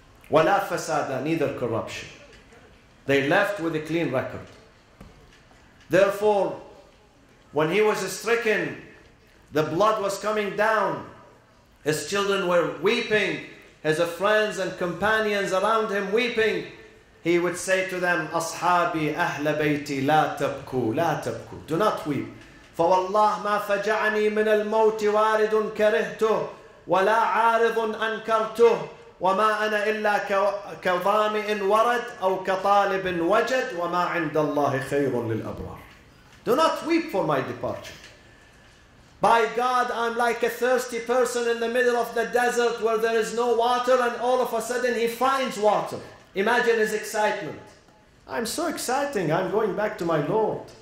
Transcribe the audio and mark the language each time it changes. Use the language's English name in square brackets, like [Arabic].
[Arabic] وَلَا فَسَادًا. [English] Neither corruption. They left with a clean record. Therefore, when he was stricken, the blood was coming down. His children were weeping. His friends and companions around him weeping. He would say to them, [Arabic] أصحابي أهل بيتي لا تبكوا لا تبكوا. [English] Do not weep. [Arabic] فوالله ما فجعني من الموت وارد كرهته ولا عارض أنكرته وما أنا إلا كظامئ ورد أو كطالب وجد وما عند الله خير للأبرار. [English] Do not weep for my departure. By God, I'm like a thirsty person in the middle of the desert where there is no water, and all of a sudden he finds water. Imagine his excitement. I'm so exciting. I'm going back to my Lord.